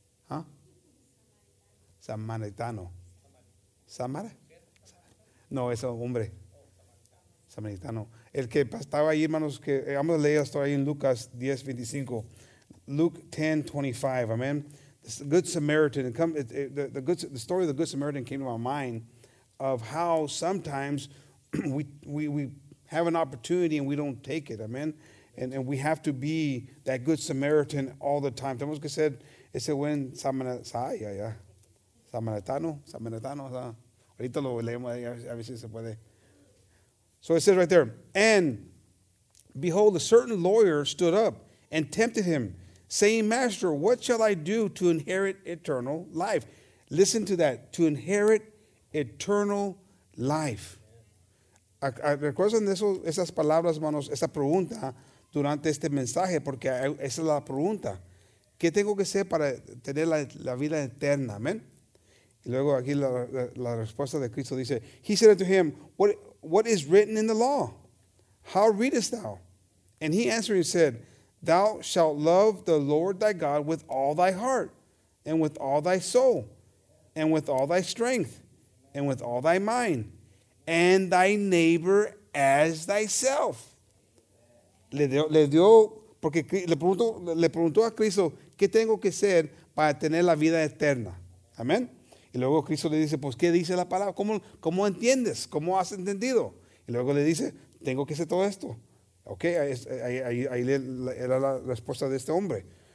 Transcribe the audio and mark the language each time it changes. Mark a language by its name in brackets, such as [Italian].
[Spanish] ¿Ah? Samaritano. ¿Samara? No, ese hombre. Samaritano. El que estaba ahí, hermanos, que vamos a leer la historia ahí en Lucas 10, 25. [English] Luke 10, 25, amén. Good Samaritan. The story of the Good Samaritan came to my mind. Of how sometimes we have an opportunity and we don't take it, amen? And we have to be that good Samaritan all the time. [Spanish] Tenemos que ser ese buen Samaritano. Ahorita lo leemos, a ver si se puede. [English] So it says right there, and behold, a certain lawyer stood up and tempted him, saying, Master, what shall I do to inherit eternal life? Listen to that, to inherit eternal life. [Spanish] Recuerden eso, esas palabras, hermanos, esa pregunta durante este mensaje, porque esa es la pregunta. ¿Qué tengo que hacer para tener la vida eterna? [English] Amen. [Spanish] Y luego aquí la respuesta de Cristo dice, [English] He said unto him, what is written in the law? How readest thou? And he answered and said, Thou shalt love the Lord thy God with all thy heart, and with all thy soul, and with all thy strength, and with all thy mind, and thy neighbor as thyself. [Spanish] Le dio, porque le preguntó a Cristo, ¿qué tengo que hacer para tener la vida eterna? Amén. Y luego Cristo le dice, pues, ¿qué dice la palabra? ¿Cómo entiendes? ¿Cómo has entendido? Y luego le dice, tengo que hacer todo esto. Ok, ahí era la respuesta de este hombre.